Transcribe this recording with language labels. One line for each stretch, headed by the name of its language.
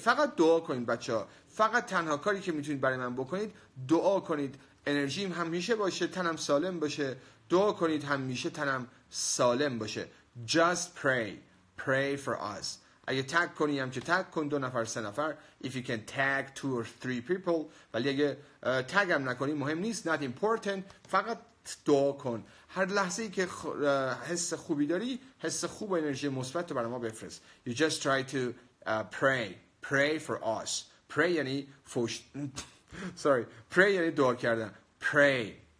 Persian: فقط دعا کنید بچه ها. فقط تنها کاری که میتونید برای من بکنید دعا کنید. انرژیم همیشه باشه، تنم سالم باشه. دعا کنید همیشه تنم سالم باشه.
English: Just pray. Pray for us.
Persian: اگه تگ کنی هم که تگ کن، دو نفر سه نفر.
English: If you can tag two or three people.
Persian: ولی اگه تگ هم نکنی مهم نیست.
English: Not important.
Persian: فقط دعا کن. هر لحظه ای که حس خوبی داری، حس خوب و انرژی مثبت تو برای ما بفرست.
English: You just try to pray. Pray for us.
Persian: Pray یعنی فوش...
English: Sorry.
Persian: Pray یعنی دعا کردن. Pray.